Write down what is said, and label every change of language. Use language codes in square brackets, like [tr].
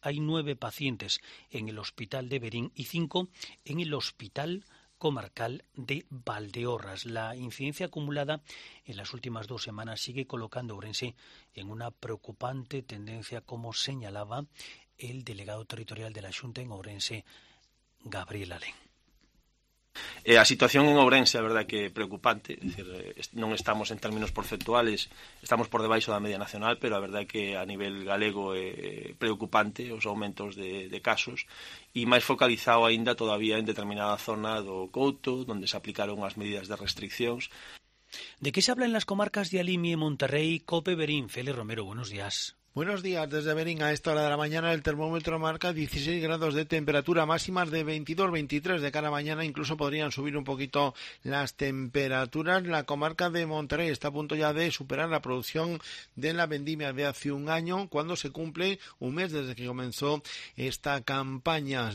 [es] Hay 9 pacientes en el hospital de Verín y 5 en el hospital comarcal de Valdeorras. La incidencia acumulada en las últimas dos semanas sigue colocando a Ourense en una preocupante tendencia, como señalaba el delegado territorial de la Xunta en Ourense, Gabriel Alén. [gl] A situación en Ourense, a verdade, que preocupante. É dicir, non estamos en términos porcentuales, estamos por debaixo da media nacional, pero a verdade que a nivel galego é preocupante os aumentos de casos, e máis focalizado aínda todavía en determinada zona do Couto, onde se aplicaron as medidas de restriccións. [es] ¿De qué se habla en las comarcas de Alimi y Monterrey? Cope Berín, Félix Romero, buenos días. Buenos días, desde Berín a esta hora de la mañana el termómetro marca 16 grados de temperatura, máximas de 22-23 de cara a mañana, incluso podrían subir un poquito las temperaturas. La comarca de Monterrey está a punto ya de superar la producción de la vendimia de hace un año, cuando se cumple un mes desde que comenzó esta campaña.